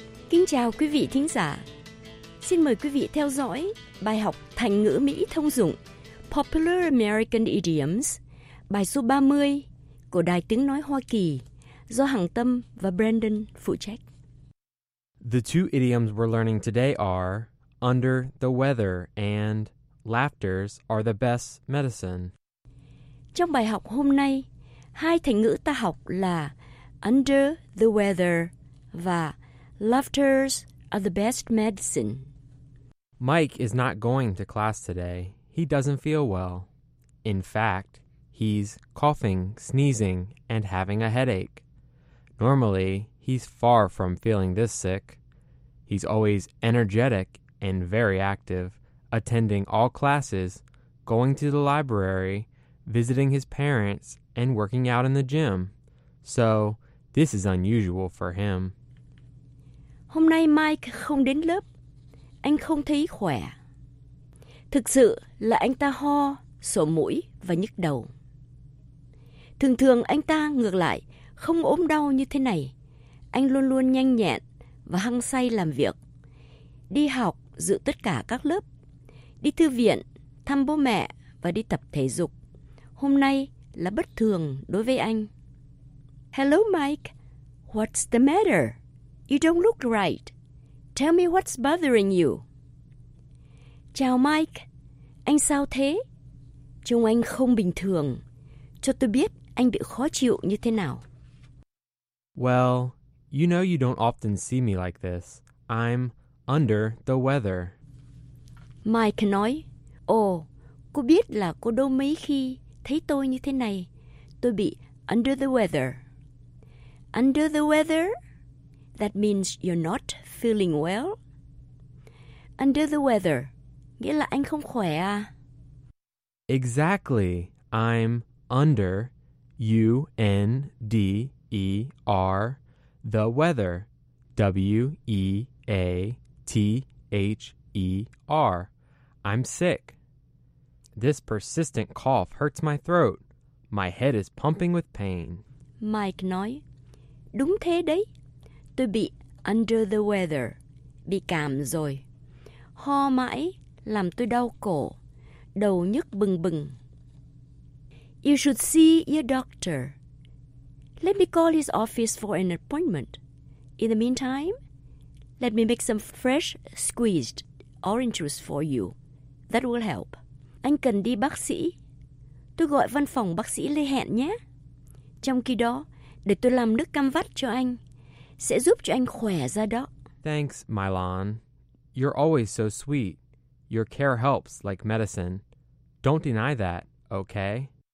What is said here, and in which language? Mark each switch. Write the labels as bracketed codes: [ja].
[vi] Kính chào quý vị thính giả. Xin mời quý vị theo dõi bài học thành ngữ Mỹ thông dụng [en] Popular American Idioms, [vi] bài số 30 của Đài Tiếng Nói Hoa Kỳ, do Hằng Tâm và Brandon phụ trách. [en] The two idioms we're learning today are under the weather and laughters are the best medicine. [vi] Trong bài học hôm nay, hai thành ngữ ta học là [en] under the weather [vi] và [en] laughters are the best medicine. Mike is not going to class today. He doesn't feel well. In fact, he's coughing, sneezing, and having a headache. Normally, he's far from feeling this sick. He's always energetic and very active, attending all classes, going to the library, visiting his parents, and working out in the gym. So, this is unusual for him. [vi] Hôm nay Mike không đến lớp. Anh không thấy khỏe. Thực sự là anh ta ho, sổ mũi và nhức đầu. Thường thường anh ta ngược lại, không ốm đau như thế này. Anh luôn luôn nhanh nhẹn và hăng say làm việc. Đi học, dự tất cả các lớp. Đi thư viện, thăm bố mẹ và đi tập thể dục. Hôm nay là bất thường đối với anh. [en] Hello Mike, what's the matter? You don't look right. Tell me what's bothering you. [vi] Chào Mike, anh sao thế? Trông anh không bình thường. Cho tôi biết anh bị khó chịu như thế nào. [en] Well, you know you don't often see me like this. I'm under the weather. [vi] Mike nói, ồ, cô biết là cô đâu mấy khi thấy tôi như thế này. Tôi bị [en] under the weather. Under the weather? That means you're not feeling well. Under the weather. [vi] Nghĩa là anh không khỏe à? [en] Exactly. I'm under, U-N-D-E-R, the weather, W-E-A-T-H-E-R. I'm sick. This persistent cough hurts my throat. My head is pumping with pain. [vi] Mike nói, đúng thế đấy. Tôi bị [en] under the weather, [vi] bị cảm rồi. Ho mãi. Làm tôi đau cổ, đầu nhức bừng bừng. [en] You should see your doctor. Let me call his office for an appointment. In the meantime, let me make some fresh squeezed orange juice for you. That will help. [vi] Anh cần đi bác sĩ. Tôi gọi văn phòng bác sĩ lên hẹn nhé. Trong khi đó, để tôi làm nước cam vắt cho anh, sẽ giúp cho anh khỏe ra đó. [en] Thanks, Mylon. You're always so sweet. Your care helps like medicine. Don't deny that, okay?